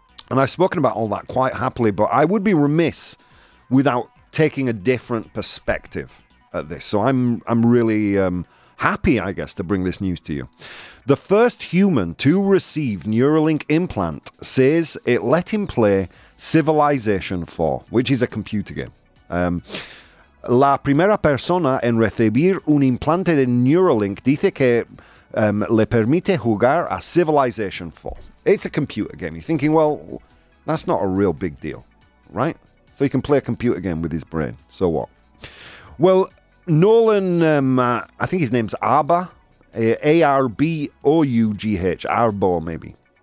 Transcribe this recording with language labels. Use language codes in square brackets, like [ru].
[en] And I've spoken about all that quite happily, but I would be remiss without taking a different perspective at this. So I'm really happy, I guess, to bring this news to you. The first human to receive Neuralink implant says it let him play Civilization 4, which is a computer game. [es] La primera persona en recibir un implante de Neuralink dice que Le permite jugar a Civilization 4. [en] It's a computer game. You're thinking, well, that's not a real big deal, right? So he can play a computer game with his brain. So what? Well, Nolan, I think his name's Arba, A-R-B-O-U-G-H, Arbo maybe.